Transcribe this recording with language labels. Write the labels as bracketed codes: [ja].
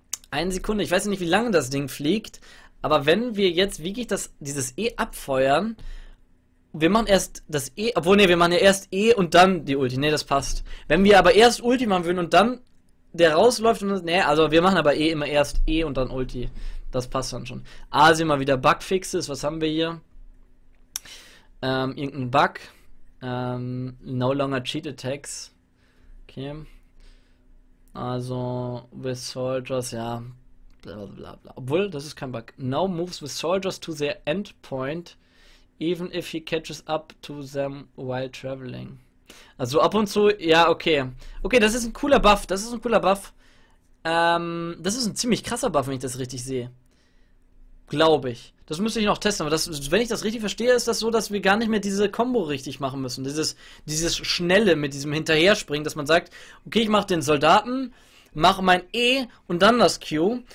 [de] Eine Sekunde. Ich weiß nicht, wie lange das Ding fliegt. Aber wenn wir jetzt wirklich dieses E abfeuern, wir machen erst das E, obwohl, nee, wir machen ja erst E und dann die Ulti. Nee, das passt. Wenn wir aber erst Ulti machen würden und dann der rausläuft und, nee, also wir machen aber E immer erst E und dann Ulti. Das passt dann schon. Ah, sehen wir mal wieder Bugfixes. Was haben wir hier? Irgendein Bug. [en] No longer cheat attacks. [de] Okay. Also, [en] with soldiers, [de] ja. Blablabla. Obwohl, das ist kein Bug. [en] No moves with soldiers to their endpoint, even if he catches up to them while traveling. [de] Also ab und zu, ja, okay. Okay, das ist ein cooler Buff. Das ist ein cooler Buff. Das ist ein ziemlich krasser Buff, wenn ich das richtig sehe. Glaube ich. Das müsste ich noch testen, aber das, wenn ich das richtig verstehe, ist das so, dass wir gar nicht mehr diese Combo richtig machen müssen. Dieses Schnelle mit diesem Hinterherspringen, dass man sagt, okay, ich mache den Soldaten, mache mein E und dann das Q.